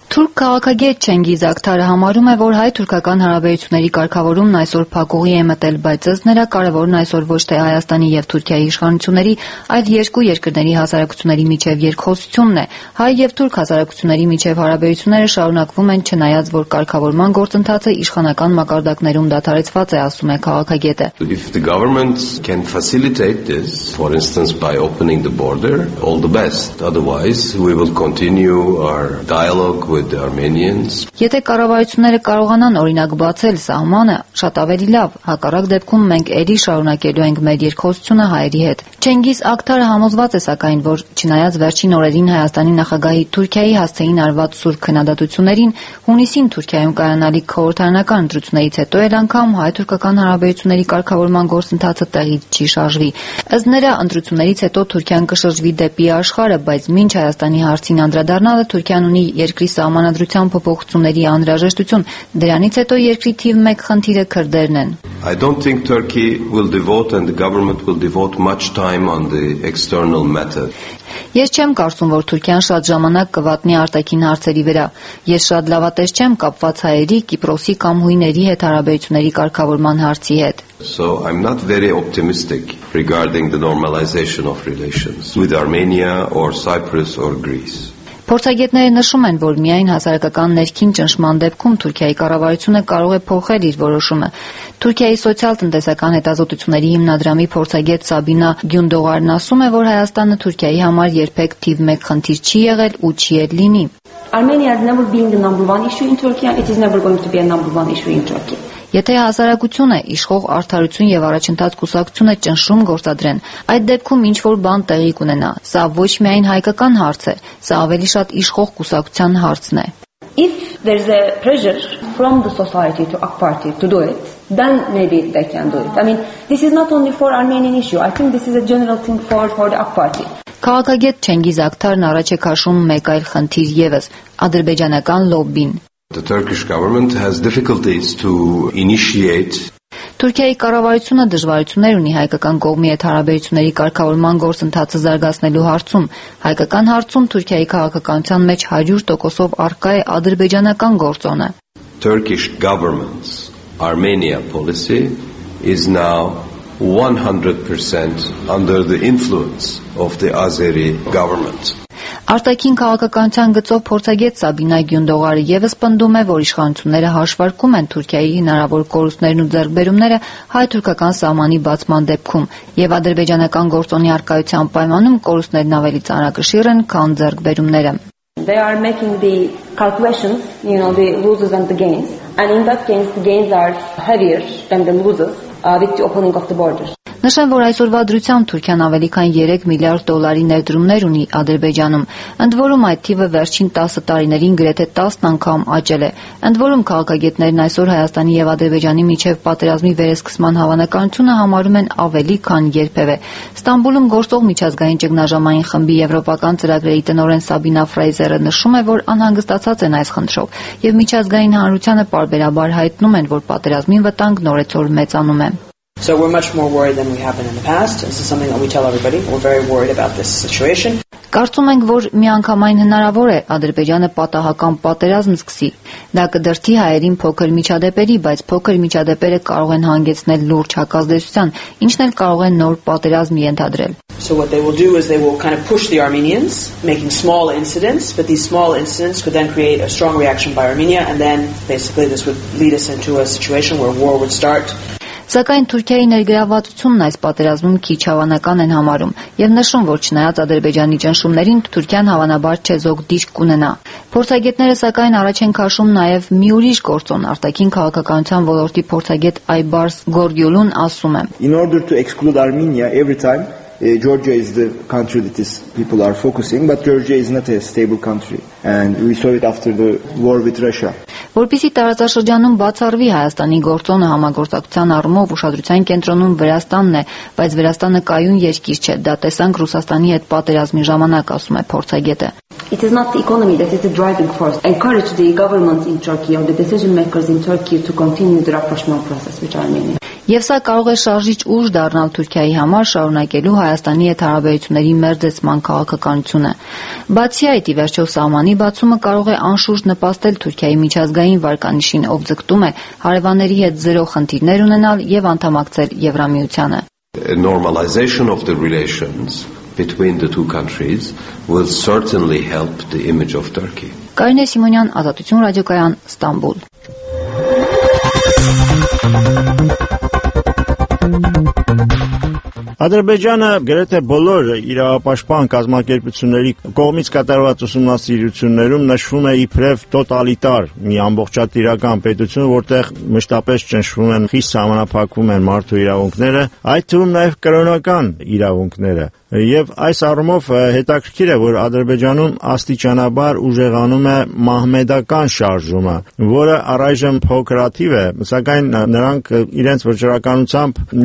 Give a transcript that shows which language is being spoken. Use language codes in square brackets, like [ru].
[hy] Թուրք քաղաքագետ Չենգիզ Ակթարը համարում է, որ հայ-թուրքական հարաբերությունների կարգավորումն այսօր փակուղի է մտել, բայց ըստ նրա կարևորն այսօր ոչ թե Հայաստանի և Թուրքիայի իշխանությունների, այլ երկու երկրների հասարակությունների միջև երկխոսությունն է։ Հայ և թուրք հասարակությունների միջև հարաբերությունները շարունակվում են, չնայած որ կարգավորման գործընթացը իշխանական մակարդակներում դադարեցված է, ասում է քաղաքագետը։ [en] If the government can facilitate this, for instance by opening the border, all the best. Otherwise, we will continue our dialogue with the Armenians. [hy] Եթե կառավարությունները կարողանան օրինակ բացել սահմանը, շատ ավելի լավ, հակառակ դեպքում մենք էլի շարունակելու ենք մեր երկխոսությունը հայերի հետ։ Չենգիզ Ակթարը համոզված է սակայն, որ չնայած վերջին օրերին Հայաստանի նախագահի Թուրքիայի հասցեին արված սուրբ քննադատություններին, հունիսին Թուրքիայում կայանալիք քաղաքանական ընտրությունից հետո էլ անգամ հայ-թուրքական հարաբերությունների կարգավորման գործընթացը տեղի չի շարժվի։ Ըստ նրա, ընտրություններից հետո Թուրքիան կշրջվի դեպի աշխարհը, բայց մինչ Հայաստանի հարցին անդրադառնալը Թուրքիան ունի երկրի սահմանադրության փոփոխությունների անհրաժեշտություն, դրանից հետո երկրի թիվ 1 խնդիրը քրդերն են։ [en] I don't think Turkey will devote and the government will devote much time on the external matter. [hy] Ես չեմ կարծում, որ Թուրքիան շատ ժամանակ կվատնի արտաքին հարցերի վրա։ Ես շատ լավատես չեմ կապված հայերի, Կիպրոսի կամ հույների հետ հարաբերությունների կարգավորման հարցի հետ։ [en] So I'm not very optimistic regarding the normalization of relations with Armenia or Cyprus or Greece. [hy] Փորձագետները նշում են, որ միայն հասարակական ներքին ճնշման դեպքում Թուրքիայի կառավարությունը կարող է փոխել իր որոշումը։ Թուրքիայի սոցիալ-տնտեսական հետազոտությունների հիմնադրամի փորձագետ Սաբինա Գյունդողարն ասում է, որ Հայաստանը Թուրքիայի համար երբեք թիվ 1 խնդիր չի եղել ու չի էլ լինի։ [en] Armenia has never been the number one issue in Turkey and it is never going to be a number one issue in Turkey. [hy] Եթե հասարակությունը, իշխող արդարություն եւ առաջընթաց կուսակցությունը ճնշում գործադրեն, այդ դեպքում ինչ որ բան տեղի կունենա։ Սա ոչ միայն հայկական հարց է, սա ավելի շատ իշխող կուսակցության հարցն է։ [en] If there's a pressure from the society to AK Party to do it, then maybe they can do it. I mean, this is not only for Armenian issue. I think this is a general thing for the AK Party. [hy] Քաղաքագետ Չենգիզ Ակթարն առաջ է քաշում մեկ այլ խնդիր եւս՝ ադրբեջանական լոբբին։ [en] The Turkish government has difficulties to initiate. [hy] Թուրքիայի կառավարությունը դժվարություններ ունի հայկական կողմի հետ հարաբերությունների կարգավորման գործընթացը զարգացնելու հարցում։ Հայկական հարցում Թուրքիայի քաղաքականության մեջ 100%-ով առկա է ադրբեջանական գործոնը։ [en] Turkish government's Armenia policy is now 100% under the influence of the Azeri government. [hy] Արտաքին քաղաքականության գծով փորձագետ Սաբինա Գյունդողարը եւս պնդում է, որ իշխանությունները հաշվարկում են Թուրքիայի հնարավոր կորուստներն ու ձեռքբերումները հայ-թուրքական սահմանի բացման դեպքում, եւ ադրբեջանական գործոնի արկայության պայմանում կորուստներն ավելի ծանրակշիռ են, քան ձեռքբերումները։ [en] They are making the calculations, you know, the losses and the gains, and in that case the gains are heavier than the losses with the opening of the borders. [hy] Նշեմ, որ այսօրվա դրությամբ Թուրքիան ավելի քան 3 միլիարդ դոլարի ներդրումներ ունի Ադրբեջանում։ Ընդ որում այդ թիվը վերջին 10 տարիներին գրեթե 10 անգամ աճել է։ Ընդ որում քաղաքագետներն այսօր Հայաստանի եւ Ադրբեջանի միջև պատերազմի վերեսկսման հավանականությունը համարում են ավելի քան երբևէ։ Ստամբուլում գործող միջազգային ճգնաժամային խմբի եվրոպական ծրագրերի տնօրեն Սաբինա Ֆրայզերը նշում է, որ անհանգստացած են այս խնդրով, եւ միջազգային հանրությանը պարբերաբար հայտնում են, որ պատերազմի վտանգ նորեցոր մեծանում է։ [en] So we're much more worried than we have been in the past. This is something that we tell everybody. We're very worried about this situation. [hy] Կարծում ենք, որ միանգամայն հնարավոր է Ադրբեջանը պատահական պատերազմ սկսի։ Դա կդրթի հայերին փոքր միջադեպերի, բայց փոքր միջադեպերը կարող են հանգեցնել լուրջ հակազդեցության, ինչն էլ կարող են նոր պատերազմ ենթադրել։ [en] So what they will do is they will kind of push the Armenians, making small incidents, but these small incidents could then create a strong reaction by Armenia, and then basically this would lead us into a situation where war would start. [hy] Սակայն Թուրքիայի ներգրավվածությունն այս պատերազմում քիչ հավանական են համարում եւ նշում, որ չնայած Ադրբեջանի ճնշումներին Թուրքիան հավանաբար չէ զոգ դիրք կունենա։ Փորձագետները սակայն առաջ են քաշում նաեւ մի ուրիշ գործոն, արտաքին քաղաքականության ոլորտի փորձագետ Այբարս Գորգյուլուն ասում է. [en] In order to exclude Armenia every time Georgia is the country that is people are focusing, but Georgia is not a stable country, and we saw it after the war with Russia. [hy] Որպեսի տարածաշրջանում բացառվի Հայաստանի գործոնը համագործակցության առումով ուշադրության կենտրոնում Վրաստանն է, բայց Վրաստանը կայուն երկիր չէ, դա տեսանք Ռուսաստանի հետ պատերազմի ժամանակ, ասում է փորձագետը. [en] It is not the economy that is the driving force. Encourage the government in Turkey or the decision makers in Turkey to continue the rapprochement process with Armenia. [hy] Եվ սա կարող է շարժիչ ուժ դառնալ Թուրքիայի համար շարունակելու Հայաստանի հետ հարաբերությունների մերձեցման քաղաքականությունը։ Բացի այդ, ի վերջո սահմանի բացումը կարող է անշուշտ նպաստել Թուրքիայի միջազգային վարկանիշին, ով ձգտում է հարևանների հետ զրո խնդիրներ ունենալ եւ անդամակցել Եվրամիությանը։ [en] Normalization of the relations between the two countries will certainly help the image of Turkey. [hy] Կարինե Սիմոնյան, Ազատություն ռադիոկայան, Ստամբուլ։ Ադրբեջանը գրեթե բոլոր իրավապաշտպան կազմակերպությունների կողմից կատարված ուսումնասիրություններում նշվում է իբրև տոտալիտար մի ամբողջատիրական պետություն, որտեղ մշտապես ճնշվում են խիստ համապատակվում են մարդու իրավունքները, այդ թվում նաև կրոնական իրավունքները։ Եվ այս առումով հետաքրքիր է, որ Ադրբեջանում աստիճանաբար ուժեղանում է մահմեդական շարժումը, որը առայժմ փոքրաթիվ է, սակայն նրանք իրենց վճռականությամբ